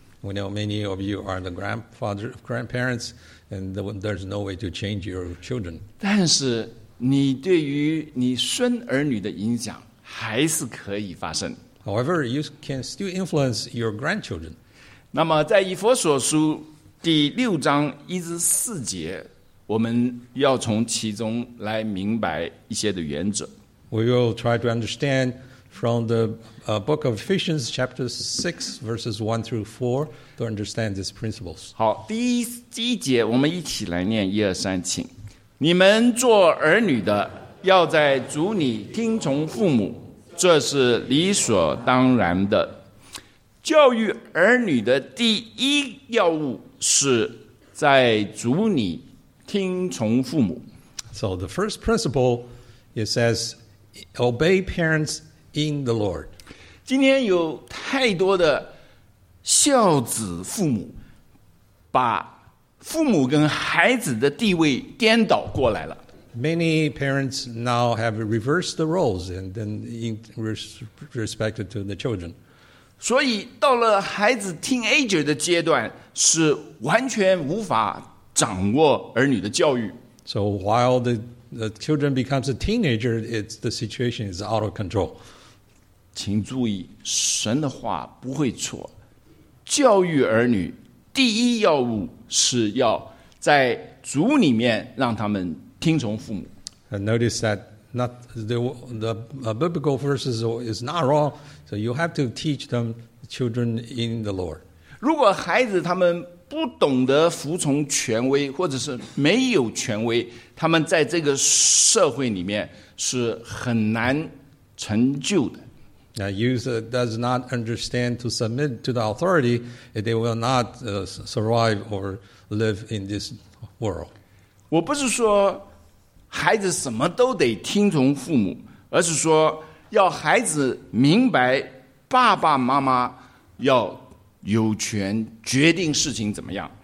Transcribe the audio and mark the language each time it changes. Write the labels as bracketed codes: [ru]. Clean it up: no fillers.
[en] We know many of you are the grandparents, and there's no way to change your children. [zh] 但是你对于你孙儿女的影响还是可以发生。 [en] However, you can still influence your grandchildren. [zh] 那么在以弗所书第六章一至四节，我们要从其中来明白一些的原则。 [en] We will try to understand from the book of Ephesians chapter 6 verses 1 through 4 to understand these principles. [zh] 好，第一节我们一起来念，一二三，请。你们做儿女的，要在主里听从父母，这是理所当然的。教育儿女的第一要务是在主里听从父母。 [en] So the first principle, it says, obey parents in the Lord. [zh] 今天有太多的孝子父母，把父母跟孩子的地位颠倒过来了。 [en] Many parents now have reversed the roles and then in respect to the children. [zh] 所以到了孩子 teenager 的阶段，是完全无法掌握儿女的教育。 [en] So while the children becomes a teenager, it's the situation is out of control. [zh] 请注意，神的话不会错。教育儿女第一要务是要在主里面让他们听从父母。 [en] And notice that not the biblical verses is not wrong. So you have to teach them children in the Lord. [zh] 如果孩子他们不懂得服从权威，或者是没有权威，他们在这个社会里面是很难成就的。 [en] A youth does not understand to submit to the authority, they will not survive or live in this world. [zh] 我不是说孩子什么都得听从父母，而是说要孩子明白爸爸妈妈要有权决定事情怎么样。